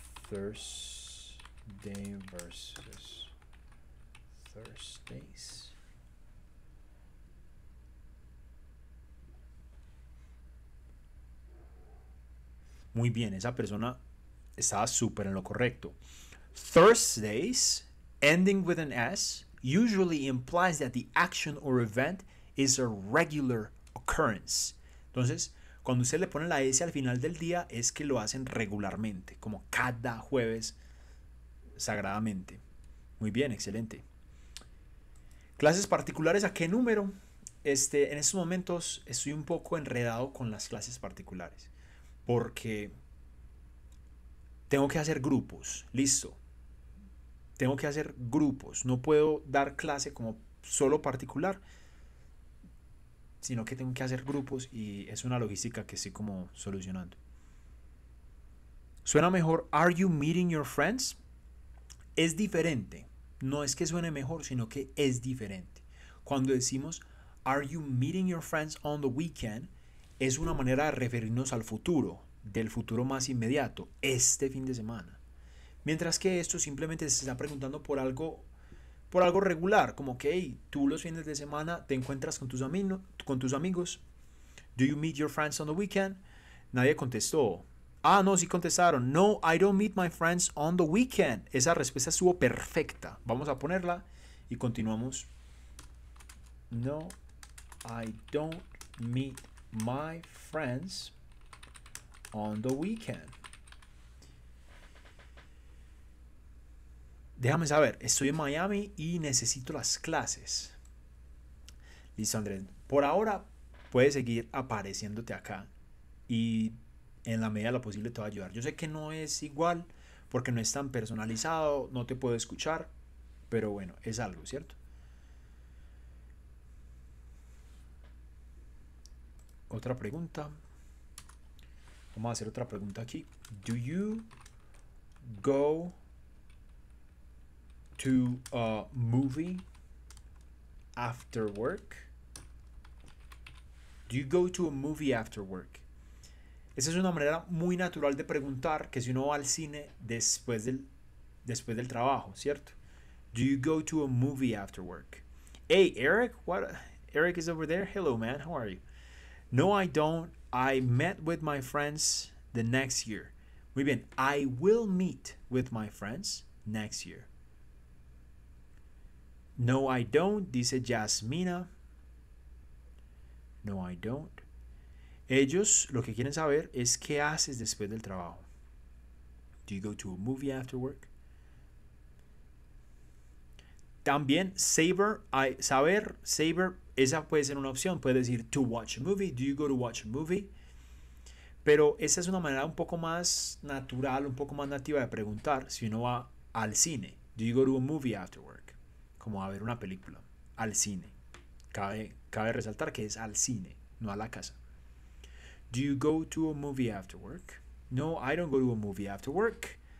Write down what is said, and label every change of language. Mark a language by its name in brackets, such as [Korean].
[English] Thursday versus Thursdays. [Spanish] Muy bien, esa persona estaba súper en lo correcto. [English] Thursdays, ending with an S, usually implies that the action or event is a regular occurrence. [Spanish] Entonces, cuando usted le pone la S al final del día, es que lo hacen regularmente, como cada jueves, sagradamente. Muy bien, excelente. ¿Clases particulares a qué número? En estos momentos estoy un poco enredado con las clases particulares, porque tengo que hacer grupos, listo. Tengo que hacer grupos, no puedo dar clase como solo particular, sino que tengo que hacer grupos y es una logística que estoy como solucionando. ¿Suena mejor [English] are you meeting your friends? [Spanish] Es diferente. No es que suene mejor, sino que es diferente. Cuando decimos [English] are you meeting your friends on the weekend, [Spanish] es una manera de referirnos al futuro, del futuro más inmediato, este fin de semana. Mientras que esto simplemente se está preguntando por algo regular, como que hey, tú los fines de semana te encuentras con tus amigos. [English] Do you meet your friends on the weekend? [Spanish] Nadie contestó. Ah, no, sí contestaron. [English] No, I don't meet my friends on the weekend. [Spanish] Esa respuesta estuvo perfecta. Vamos a ponerla y continuamos. [English] No, I don't meet my friends on the weekend. [Spanish] Déjame saber, estoy en Miami y necesito las clases. Listo, Andrés. Por ahora, puedes seguir apareciéndote acá y en la medida de lo posible te voy a ayudar. Yo sé que no es igual porque no es tan personalizado, no te puedo escuchar, pero bueno, es algo, ¿cierto? Otra pregunta. Vamos a hacer otra pregunta aquí. [English] Do you go to a movie after work? Do you go to a movie after work? [Spanish] Esa es una manera muy natural de preguntar que si uno va al cine después del trabajo, ¿cierto? [English] Do you go to a movie after work? Hey, Eric, what? Eric is over there. Hello, man. How are you? No, I don't. I met with my friends the next year. [Spanish] Muy bien. [English] I will meet with my friends next year. No, I don't, [Spanish] dice Yasmina. [English] No, I don't. [Spanish] Ellos lo que quieren saber es qué haces después del trabajo. [English] Do you go to a movie after work? [Spanish] También saber, esa puede ser una opción. Puede decir [English] to watch a movie. Do you go to watch a movie? [Spanish] Pero esa es una manera un poco más natural, un poco más nativa de preguntar si uno va al cine. [English] Do you go to a movie after work? [Spanish] Como a ver una película. Al cine. Cabe resaltar que es al cine, no a la casa. [English] Do you go to a movie after work? No, I don't go to a movie after work.